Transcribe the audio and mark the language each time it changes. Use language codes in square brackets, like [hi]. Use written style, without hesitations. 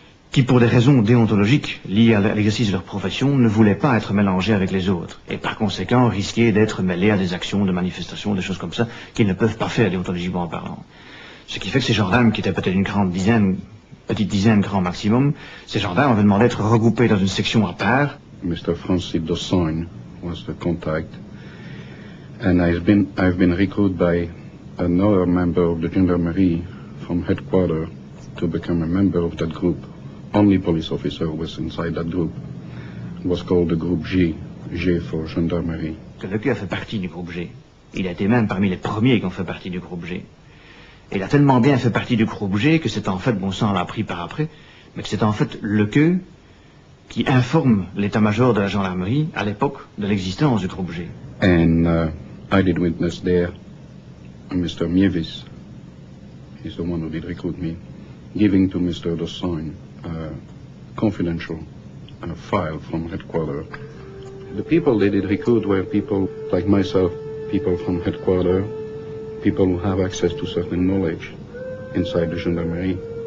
[fr] qui, pour des raisons déontologiques liées à l'exercice de leur profession, ne voulaient pas être mélangés avec les autres, et par conséquent risquaient d'être mêlés à des actions de manifestation, des choses comme ça, qu'ils ne peuvent pas faire déontologiquement en parlant. Ce qui fait que ces gendarmes, qui étaient peut-être une grande dizaine, petite dizaine grand maximum, ces gendarmes avaient demandé d'être regroupés dans une section à part. [en] Mr. Francis Dossain was the contact, and I've been recruited by another member of the gendarmerie from headquarters to become a member of that group. Only police officer was inside that group. It was called the group G, G for gendarmerie. [fr] Que le cul a fait partie du groupe G. Il a été même parmi les premiers qui ont fait partie du groupe G. Et il a tellement bien fait partie du groupe G que c'est en fait, bon sang, on l'a appris par après, mais que c'est en fait le cul qui informe l'état-major de la gendarmerie à l'époque de l'existence du groupe G. [en] And I did witness there Mr. Mievis, he's the one who did recruit me, giving to Mr. Dossain a confidential file from headquarters. The people they did recruit were people like myself, people from headquarters, people who have access to certain knowledge inside the gendarmerie.